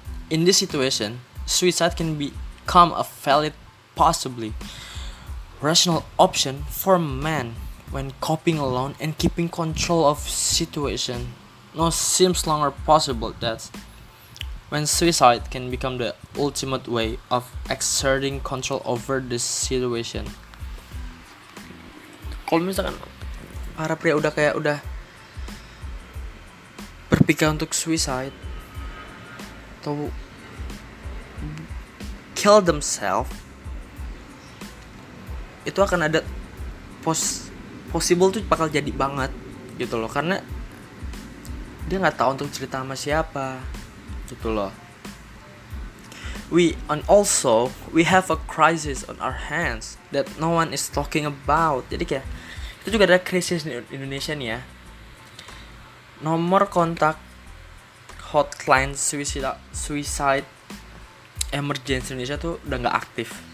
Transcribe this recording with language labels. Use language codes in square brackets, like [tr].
[en] In this situation, suicide can become a valid, possibly rational option for men when coping alone and keeping control of situation. No seems longer possible that when suicide can become the ultimate way of exerting control over the situation. [id] Kalau misalkan para pria udah kayak udah berpikir untuk suicide atau [en] kill themselves, [id] itu akan ada possible tuh bakal jadi banget gitu loh, karena dia nggak tahu untuk cerita sama siapa gitu loh. [en] We have a crisis on our hands that no one is talking about. [id] Jadi kayak itu juga ada krisis di Indonesia nih ya. Nomor kontak hotline suicide emergency Indonesia tuh udah nggak aktif.